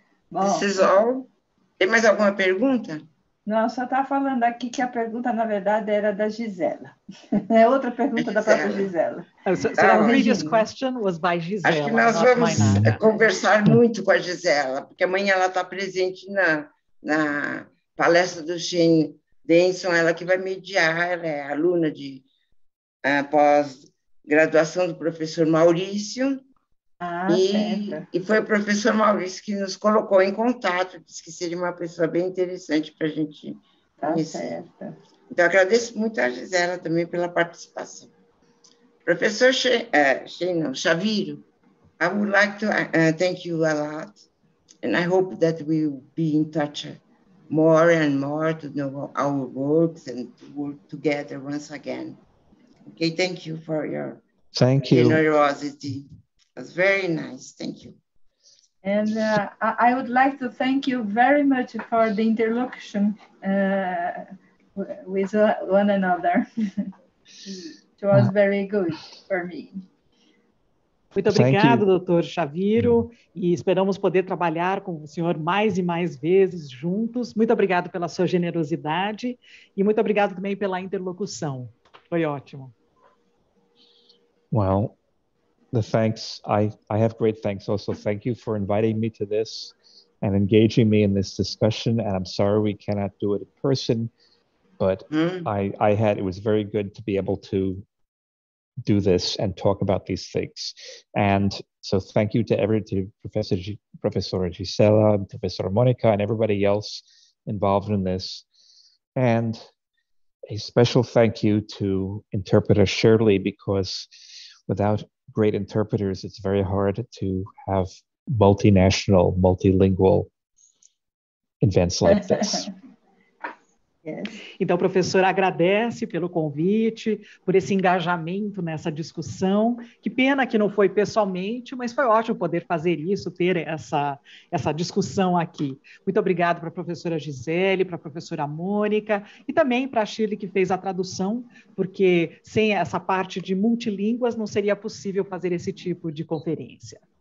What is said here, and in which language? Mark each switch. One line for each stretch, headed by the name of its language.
Portuguese: Bom,
English: this is all.
Portuguese: Tem mais alguma pergunta? Não, só está falando aqui que a pergunta, na verdade, era da Gisela. É outra pergunta Gisela. Da própria Gisela.
English: Oh, so, so the previous question was by Gisela.
Portuguese: Acho que nós vamos conversar muito com a Gisela, porque amanhã ela está presente na palestra do Shane Denson, ela que vai mediar, ela é aluna de pós-graduação do professor Maurício. Ah, e foi o professor Maurício que nos colocou em contato, disse que seria uma pessoa bem interessante para a gente conhecer. Então, agradeço muito a Gisela também pela participação.
English: Professor Xaviro, I would like to thank you a lot, and I hope that we will be in touch more and more to know our works and to work together once again. Okay, thank you for your generosity. That's very nice. Thank you. And I would like to thank you very much for the interlocution with one another. It was very good for me.
Portuguese: Muito obrigado, Dr. Xaviro, e esperamos poder trabalhar com o senhor mais e mais vezes juntos. Muito obrigado pela sua generosidade e muito obrigado também pela interlocução. Foi ótimo.
English: Well, the thanks, I have great thanks also. Thank you for inviting me to this and engaging me in this discussion. And I'm sorry we cannot do it in person, but it was very good to be able to do this and talk about these things. And so thank you to Professor Gisela, Professor Monica, and everybody else involved in this. And a special thank you to interpreter Shirley, because without great interpreters, it's very hard to have multinational, multilingual events like this. Yes.
Portuguese: Então, professor, agradece pelo convite, por esse engajamento nessa discussão. Que pena que não foi pessoalmente, mas foi ótimo poder fazer isso, ter essa discussão aqui. Muito obrigado para a professora Gisele, para a professora Mônica e também para a Shirley, que fez a tradução, porque sem essa parte de multilínguas não seria possível fazer esse tipo de conferência.